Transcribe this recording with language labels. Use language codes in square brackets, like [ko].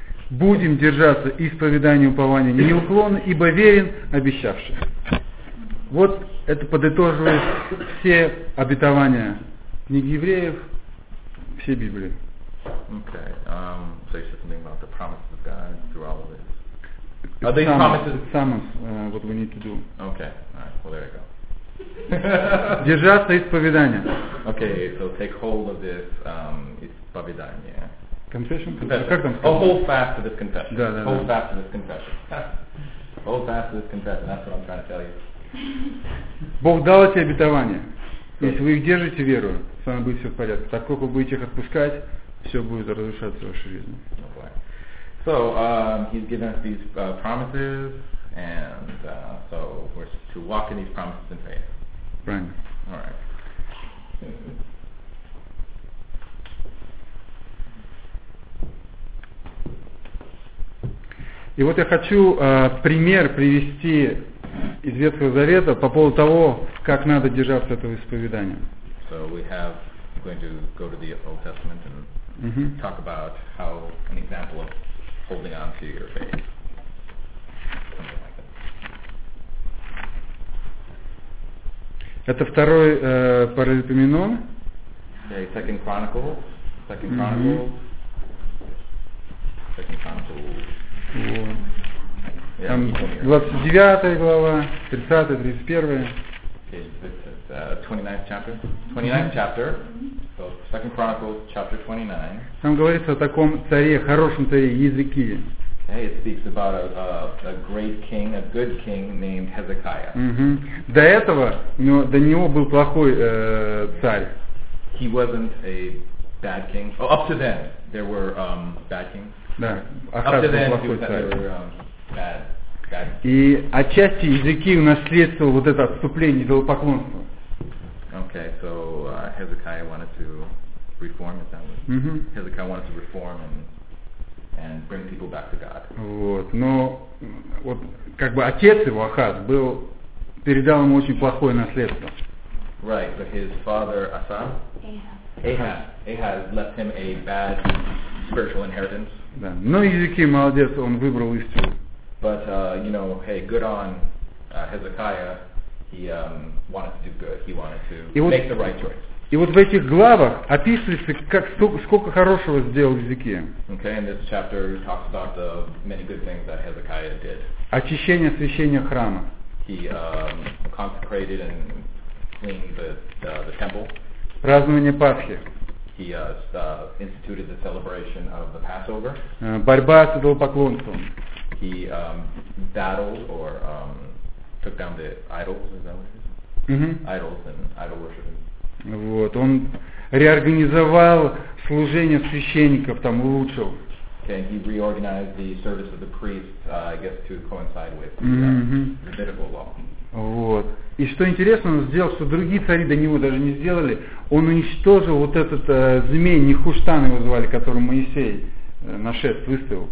[ru] Будем держаться исповедания упования неуклонно, ибо верен обещавший. Вот это подытоживает все обетования книги евреев, все Библии. [en] Okay. So you said something about the promises of God through all of this. Are they promises? Summons, what we need to do. Okay, all right, well there you go. [ru] Держаться исповедания. [en] Okay, so take hold of this исповедание. Confession? Confession. Oh, hold fast to this confession. [ru] Да, да, [en] hold [ru] да. [en] Fast to this confession. Hold fast to this confession, that's what I'm trying to tell you. [ru] Бог дал эти обетования. Если вы их держите веру, с вами будет все в порядке. Так как вы будете их отпускать, все будет разрушаться в вашей жизни. [en] So he's given us these promises, and so we're to walk in these promises in faith. Right. All right. [ru] И вот я хочу пример привести из Ветхого Завета по поводу того, как надо держаться этого исповедания. [en] So we have going to go to the Old Testament and talk about how an example of holding on to your faith. Something like that. [ru] Это второй Паралипоменон. [en] Okay, Second Chronicles. Second Chronicles. Second Chronicles. [ru] Вот. Там 29 глава, 30, 31. [en] Okay, it's 29th chapter. 29th chapter. So, Second Chronicles, chapter 29. [ru] Там говорится о таком царе, хорошем царе, Езекии. [en] Okay, it speaks about a great king, a good king named Hezekiah. [ru] До этого, до него был плохой царь. [en] He wasn't a bad king. Oh, up to then, there were bad kings. [ru] Да, Ахаз был плохой царь. И отчасти Езекия унаследовал вот это отступление идолопоклонства. [en] Okay, so Hezekiah wanted to reform, is that what? Hezekiah wanted to reform and bring people back to God. [ru] Вот, но вот как бы отец его Ахаз был передал ему очень плохое наследство. [en] Right, but his father Asa. Ahaz left him a bad spiritual inheritance. [ru] Да, но Езекия молодец, он выбрал истину. [en] But you know, hey, good on Hezekiah. He wanted to do good. He wanted to make the right choice. [ru] И вот в этих главах описывается, как сколько хорошего сделал Езекия. [en] Okay, in this chapter talks about the many good things that Hezekiah did. [ru] Очищение, освящение храма. [en] He consecrated and cleaned the temple. [ru] Празднование Пасхи. [en] He instituted the celebration of the Passover. [ru] Борьба с идолопоклонством. [en] He battled or took down the idols, is that what it is? Idols and idol worship. [ru] Вот, он реорганизовал служение священников, там улучшил. [en] Okay, and he reorganized the service of the priests, I guess, to coincide with the Levitical law. [ru] Вот. И что интересно, он сделал, что другие цари до него даже не сделали. Он уничтожил вот этот змей, Нехуштан его звали, который Моисей на шест выставил.